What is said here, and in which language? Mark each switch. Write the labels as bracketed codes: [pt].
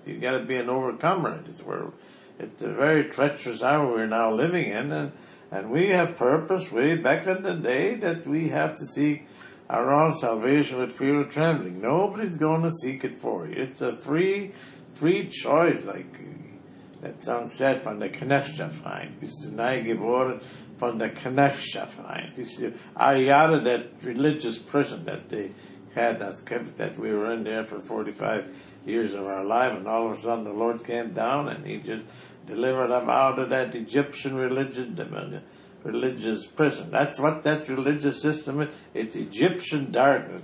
[en] You got to be an overcomer in this world. It's a very treacherous hour we're now living in, and we have purpose way back in the day that we have to seek our own salvation with fear of trembling. Nobody's going to seek it for you. It's a free choice, like that song said, from the [de] Knechtschaft frei. Bist du neu geboren von der Knechtschaft frei. Bist du [en] out of that religious prison that they had us kept, that we were in there for 45 years of our life, and all of a sudden the Lord came down and he just delivered them out of that Egyptian religious prison. That's what that religious system is. It's Egyptian darkness.